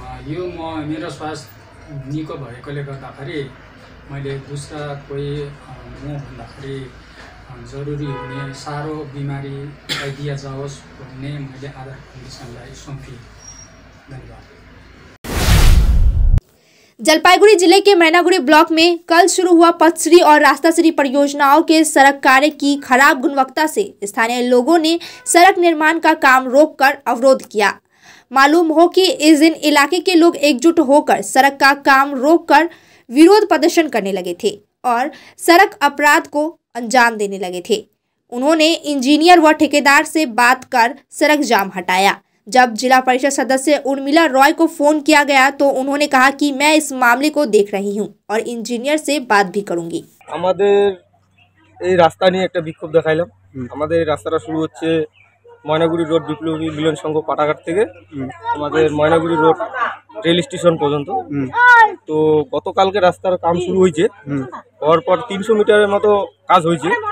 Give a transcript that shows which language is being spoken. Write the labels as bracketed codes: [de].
[ne] यो म मेरो स्वास्थ्य निको भएकोले गर्दाखेरि मैले दुसरा कोही म भन्दाखेरि जरुरी हुने साह्रो बिमारी आइदिया जाओस् भन्ने मैले आधार फाउन्डेसनलाई सुम्पेँ। धन्यवाद। [hi] जलपाईगुड़ी जिले के मैनागुड़ी ब्लॉक में कल शुरू हुआ पथश्री और रास्ताश्री परियोजनाओं के सड़क कार्य की खराब गुणवत्ता से स्थानीय लोगों ने सड़क निर्माण का काम रोककर अवरोध किया। मालूम हो कि इस दिन इलाके के लोग एकजुट होकर सड़क का काम रोककर विरोध प्रदर्शन करने लगे थे और सड़क अपराध को अंजाम देने लगे थे। उन्होंने इंजीनियर व ठेकेदार से बात कर सड़क जाम हटाया, जब जिला परिषद सदस्य उर्मिला रॉय को फोन किया गया तो उन्होंने कहा कि मैं इस मामले को देख रही हूं और इंजीनियर से बात भी करूंगी। रास्ता नहीं एक विक्षोभ देखा रास्ता शुरू हो [bn] ময়নাগুড়ি রোড বিপ্লবী মিলন সংঘ পাটাঘাট থেকে আমাদের ময়নাগুড়ি রোড রেল স্টেশন পর্যন্ত। তো গতকালকে রাস্তার কাম শুরু হয়েছে, পরপর 300 মিটারের মতো কাজ হয়েছে।